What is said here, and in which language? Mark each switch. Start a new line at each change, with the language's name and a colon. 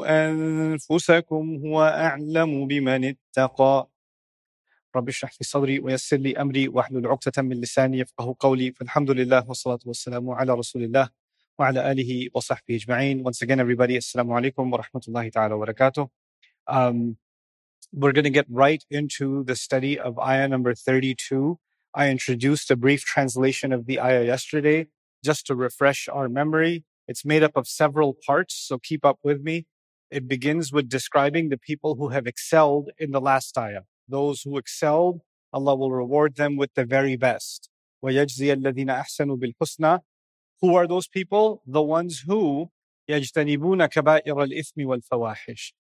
Arabic: أنفسكم هو أعلم بمن اتقى رب اشرح لي صدري ويسر لي أمري واحلل عقدة من لساني يفقه قولي فالحمد لله والصلاة والسلام على رسول الله وعلى آله وصحبه أجمعين.
English: Once again, everybody, assalamu alaikum wa rahmatullahi ta'ala wa barakatuh. We're going to get right into the study of ayah number 32. I introduced a brief translation of the ayah yesterday, just to refresh our memory. It's made up of several parts, so keep up with me. It begins with describing the people who have excelled in the last ayah. Those who excelled, Allah will reward them with the very best.
Arabic: وَيَجْزِيَ الَّذِينَ أَحْسَنُوا بِالْحُسْنَى.
English: Who are those people? The ones who
Arabic: يَجْتَنِبُونَ كَبَائِرَ الْإِثْمِ وَالْفَوَاحِشِ.